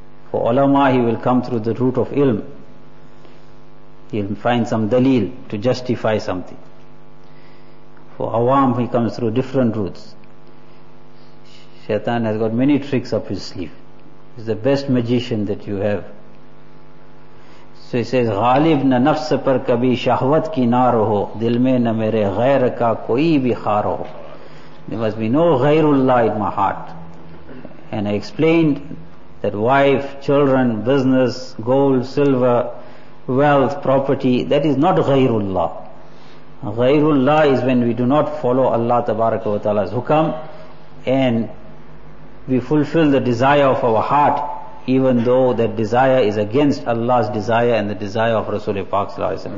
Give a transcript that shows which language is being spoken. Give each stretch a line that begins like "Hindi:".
English: For ulama, he will come through the route of ilm. He'll find some dalil to justify something. For awam, he comes through different routes. Shaitan has got many tricks up his sleeve. He's the best magician that you have. So he says,
Urdu: غالب نہ نفس پر کبھی شہوت کی نہ رہو دل میں نہ میرے غیر کا کوئی بھی خار ہو.
English: There must be no غیر اللہ in my heart. And I explained that wife, children, business, gold, silver, wealth, property, that is not غیر اللہ. غیر اللہ is when we do not follow Allah تبارک و تعالی's hukam and we fulfill the desire of our heart, even though that desire is against Allah's desire and the desire of Rasulullah sallallahu alaihi wasallam.